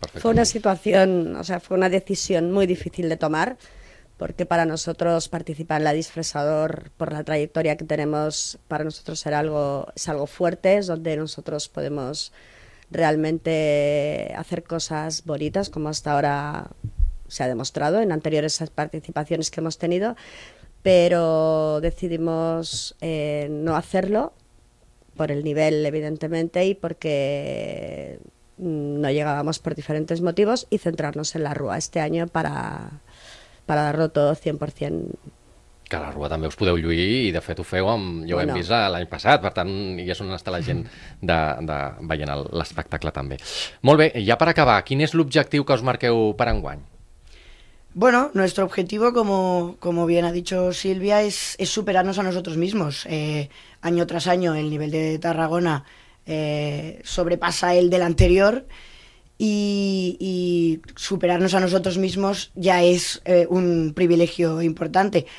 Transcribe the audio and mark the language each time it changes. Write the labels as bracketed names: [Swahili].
[Spanish] Fue una situación, o sea, fue una decisión muy difícil de tomar, porque para nosotros participar en la disfresador, por la trayectoria que tenemos, para nosotros es algo fuerte, es donde nosotros podemos realmente hacer cosas bonitas, como hasta ahora se ha demostrado en anteriores participaciones que hemos tenido, pero decidimos no hacerlo, por el nivel, evidentemente, y porque no llegábamos por diferentes motivos, y centrarnos en la rua este año para dar-lo todo 100%. [Catalan] Que a la rua també us podeu lluir, i de fet ho feu, jo ho hem vist l'any passat, per tant, ja és on està la gent de veient l'espectacle també. Molt bé, ja per acabar, quin és l'objectiu que us marqueu per enguany? [Spanish] Bueno, nuestro objetivo, como bien ha dicho Silvia, es superarnos a nosotros mismos. Año tras año el nivel de Tarragona sobrepasa el del anterior, y superarnos a nosotros mismos ya es un privilegio importante.